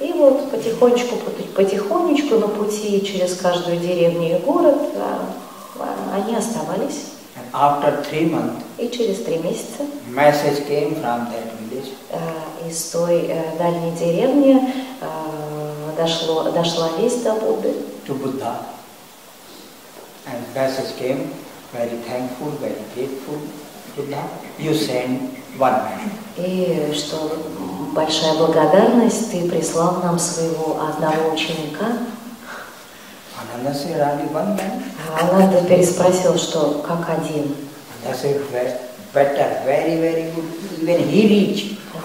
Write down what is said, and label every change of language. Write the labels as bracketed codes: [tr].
[ru] И вот потихонечку, потихонечку на пути через каждую деревню и город они оставались. [en] And after 3 months. [ru] И через 3 месяца. [en] Message came from that village. [ru] Из той дальней деревни дошла весть до Будды. [en] To Buddha. And message came, very thankful, very grateful, Buddha, you send one man. [ru] И что большая благодарность, ты прислал нам своего одного ученика. [en] Ananda said, only one man. [ru] Ананда переспросил, что как один. [en] Ananda said, better, very, very good, even he reach.